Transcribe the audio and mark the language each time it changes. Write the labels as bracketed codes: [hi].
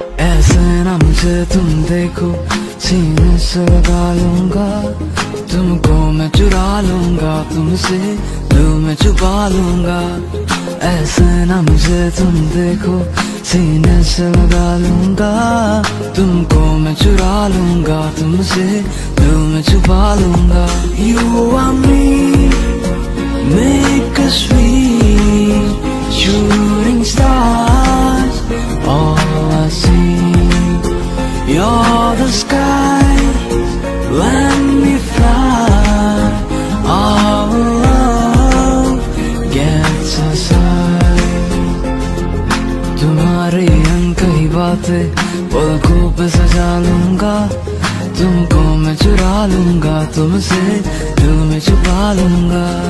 [hi] ऐसे ना मुझे तुम देखो सीने से लगा लूंगा, तुमको मैं चुरा लूंगा, तुमसे दिल में छुपा लूंगा। ऐसे ना मुझे तुम देखो सीने से लगा लूंगा, तुमको मैं चुरा लूंगा, तुमसे दिल में छुपा लूंगा। [en] You and me, make a sweet shooting stars, all I see, you're the sky, let me fly, our love gets us high। [hi] तुम्हारे अनकही बातें पलकों पे सजा लूंगा, तुमको मैं चुरा लूंगा, तुमसे दिल में छुपा लूंगा।